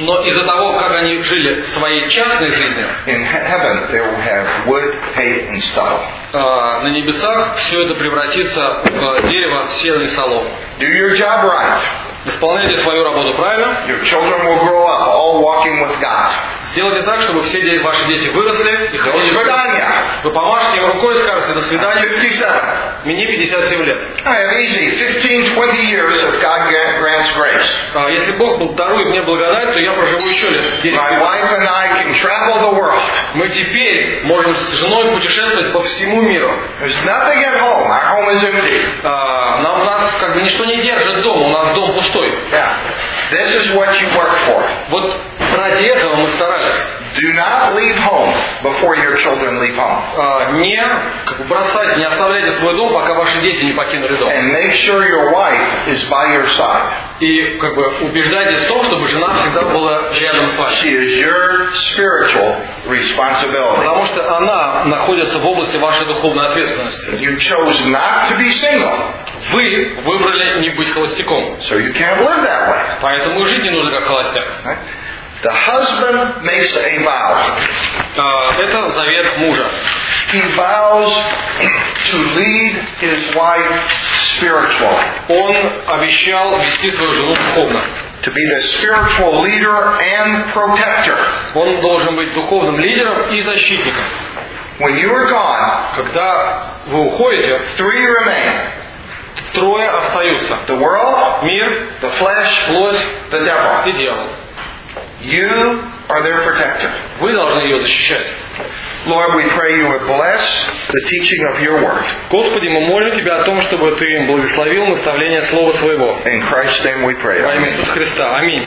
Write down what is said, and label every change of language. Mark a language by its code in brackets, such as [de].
[ru] но из-за того, как они жили своей частной жизнью, [en] in heaven they will have wood, hay, and stubble. [ru] На небесах все это превратится в дерево, сено и солому. [en] Do your job right. [ru] Исполняйте свою работу правильно. [en] Your children will grow up, all walking with God. [ru] Сделайте так, чтобы все ваши дети выросли и хорошие. Испытания. Вы помажете им рукой и скажете «До свидания». Мне 57 лет. [en] I have easy 15-20 years if God grants grace. [ru] Если Бог дарует мне благодать, то я проживу еще лет. [en] 10. My wife and I can travel the world. [ru] Мы теперь можем с женой путешествовать по всему миру. [en] There's nothing at home. Our home is empty. [ru] Нам нас как бы ничто не держит дома. У нас дом пустой. [en] Yeah. This is what you work for. [ru] Вот ради этого мы старались. [en] Do not leave home before your children leave home. [ru] Не бросайте, не оставляйте свой дом, пока ваши дети не покинули дом. [en] And make sure your wife is by your side. [ru] И как бы убеждайтесь в том, чтобы жена всегда была рядом с вами. [en] She is your spiritual responsibility. [ru] Потому что она находится в области вашей духовной ответственности. [en] You chose not to be single. [ru] Вы выбрали не быть холостяком. [en] So you can't live that way. [ru] Поэтому жить не нужно как холостяк. [en] The husband makes a vow. [ru] Это завет мужа. [en] He vows to lead his wife spiritually. [ru] Он обещал вести свою жену духовно. [en] To be the spiritual leader and protector. [ru] Он должен быть духовным лидером и защитником. [en] When you are gone, [ru] когда вы уходите, [en] three remain. [ru] Трое остаются. [en] The world, [ru] мир, [en] the flesh, [ru] плоть, [en] the devil. [ru] И дьявол. [en] You are their protector. [ru] Вы должны ее защищать. [en] Lord, we pray you would bless the teaching of your word. [ru] Господи, мы молим тебя о том, чтобы ты благословил наставление слова своего. [en] In Christ's name we pray. [ru] Во имя Иисуса Христа. Аминь.